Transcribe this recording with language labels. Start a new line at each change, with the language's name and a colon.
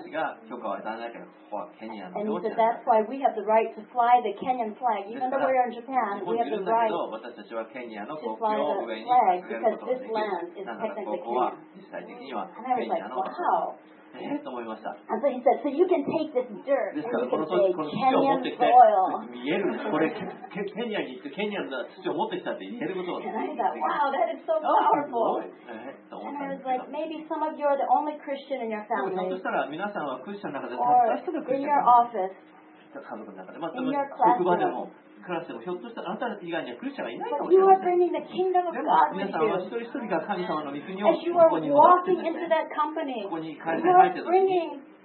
English: And he said, that's why we have the right to fly the Kenyan flag. Even though we are in Japan, we have the right to fly the flag because this land is technically Kenya. And I was like, wow.
Japanese: と思いました。
English: And so he said, so you can take this dirt and you can say Kenyan soil.
Japanese: ケニアの土を持ってきたって言えること
English: And I thought, wow, that is so powerful. And I was like, maybe some of you are the only Christian in your family.
Japanese: そしたら皆さんはクリスチャンの中でたった一人クリスチャン。
English: In your office.
Japanese: 家族の中で、また職場でも。クラスでもひょっとしたらあなた以外にはクリスチャンがいないかもしれない。
English: You are bringing the kingdom of God.
Japanese: でも皆さんは一人一人が神様の御国をここに持っているんですね。
English: As you are walking into that company, you are bringing